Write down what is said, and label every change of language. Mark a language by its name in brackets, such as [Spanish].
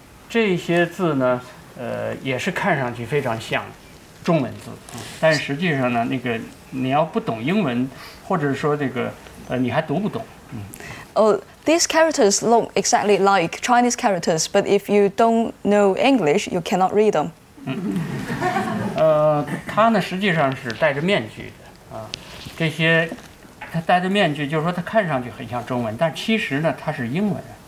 [Chinese] 这些字呢，也是看上去非常像中文字，但实际上呢，那个你要不懂英文，或者说这个你还读不懂， [English] These characters look exactly like Chinese characters, but if you don't know English, you cannot read them. [Chinese] 他呢实际上是戴着面具的啊，这些他戴着面具，就是说他看上去很像中文，但其实呢他是英文。